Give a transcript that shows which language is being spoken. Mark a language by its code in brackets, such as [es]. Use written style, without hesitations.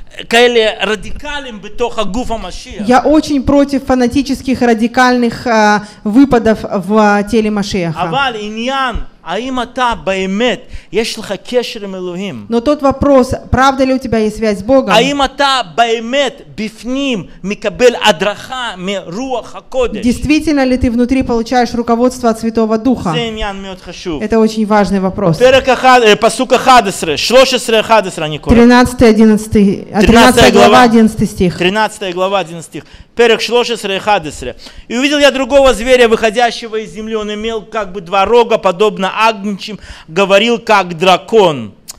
[he] כאלה [ru] радикальным [he] בתוך הגוף המשיח. [ru] Я очень против фанатических радикальных выпадов в теле Машиаха. [he] אבל עניין, האם אתה באמת יש לך קשר עם אלוהים? [ru] Но тот вопрос, правда ли у тебя есть связь с Богом? [he] האם אתה באמת בפנים מקבל הדרכה מרוח הקודש? [ru] Действительно ли ты внутри получаешь руководство от Святого Духа? [he] זה עניין מאוד חשוב. [ru] Это очень важный вопрос. [he] פרק אחד, פסוק 11, 13, 11 אני קורא. 13, 11. [ru] 13 глава, 11 стих. [he] Перек шлошесре и хадесре. [ru] И увидел я другого зверя, выходящего из земли. Он имел как бы два рога, подобно агнчим, говорил как дракон.